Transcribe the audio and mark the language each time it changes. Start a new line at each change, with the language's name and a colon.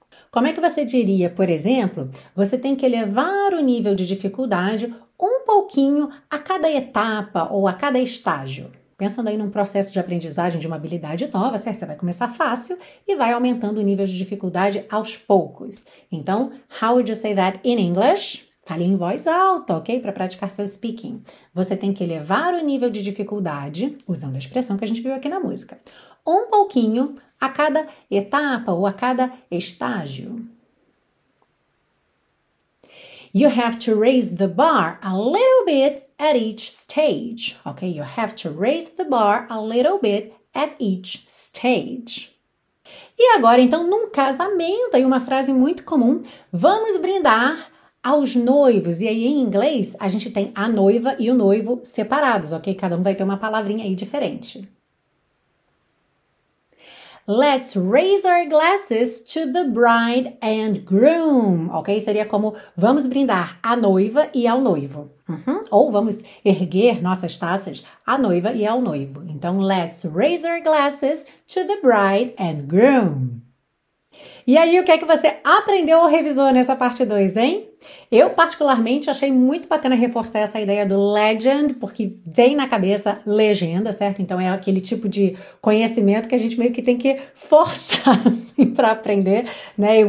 Portuguese: Como é que você diria, por exemplo, você tem que elevar o nível de dificuldade um pouquinho a cada etapa ou a cada estágio? Pensando aí num processo de aprendizagem de uma habilidade nova, certo? Você vai começar fácil e vai aumentando o nível de dificuldade aos poucos. Então,
English: how would you say that in English?
Portuguese: Fale em voz alta, ok? Para praticar seu speaking. Você tem que elevar o nível de dificuldade, usando a expressão que a gente viu aqui na música, um pouquinho a cada etapa ou a cada estágio.
English: You have to raise the bar a little bit at each stage, ok? You have to raise the bar a little bit at each stage.
Portuguese: E agora, então, num casamento, aí uma frase muito comum, vamos brindar aos noivos. E aí, em inglês, a gente tem a noiva e o noivo separados, ok? Cada um vai ter uma palavrinha aí diferente.
English: Let's raise our glasses to the bride and groom, ok?
Portuguese: Seria como vamos brindar à noiva e ao noivo. Ou vamos erguer nossas taças à noiva e ao noivo. Então,
English: let's raise our glasses to the bride and groom.
Portuguese: E aí, o que é que você aprendeu ou revisou nessa parte 2, hein? Eu, particularmente, achei muito bacana reforçar essa ideia do legend, porque vem na cabeça legenda, certo? Então, é aquele tipo de conhecimento que a gente meio que tem que forçar assim, para aprender, né?